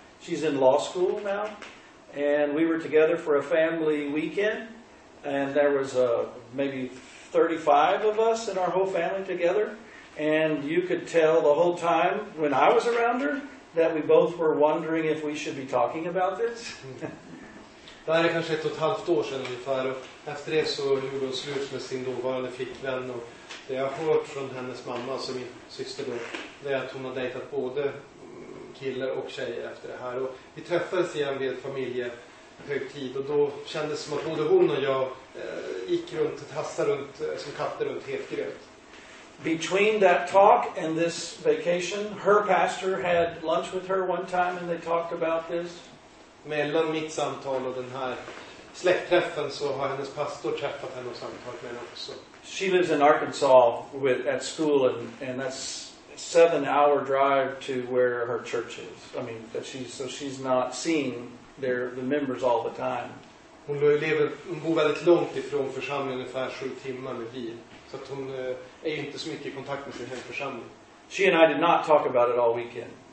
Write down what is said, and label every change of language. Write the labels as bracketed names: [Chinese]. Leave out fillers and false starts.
[English] She's in law school now. And we were together for a family weekend, and there was maybe 35 of us in our whole family together. And you could tell the whole time when I was around her that we both were wondering if we should be talking about this. [Swedish] Det här är kanske ett och ett halvt år sedan ungefär, och efter det så gjorde hon slut med sin dåvarande flickvän, och det jag hört från hennes mamma, alltså min syster då, det är att hon har dejtat både killar och tjejer efter det här. Och vi träffades igen vid familjehögtid, och då kändes som att både hon och jag gick runt och tassade runt som katter runt helt gröt. [English] Between that talk and this vacation, her pastor had lunch with her one time, and they talked about this. [Swedish] Mellan mitt samtal och den här släktträffen så har hennes pastor träffat henne och samtalat med henne också. [English] She lives in Arkansas at school, and that's a 7-hour drive to where her church is. I mean, she's not seeing the members all the time. [Swedish] Hon bor väldigt långt ifrån församlingen, ungefär 7 timmar med bil. Så att hon är inte så mycket i kontakt med sin hemförsamling. [English] She and I did not talk about it all weekend.